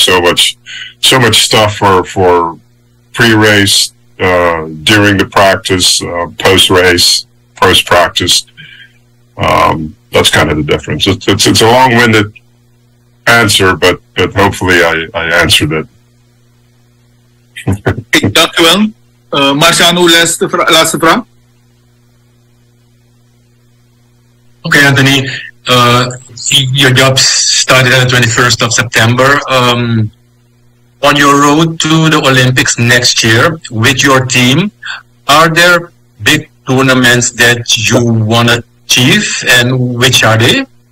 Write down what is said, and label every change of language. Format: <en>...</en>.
<en>They have so much stuff for pre-race, during the practice, post-race, post-practice. That's kind of the difference. It's a long-winded answer, but hopefully I answered it.</en> <nl>Dank u wel. Marciano, laatste vraag.</nl> <en>Okay, Anthony, your job started on the 21st of September. On your road to the Olympics next year with your team, are there big tournaments that you want to achieve, and which are they?</en>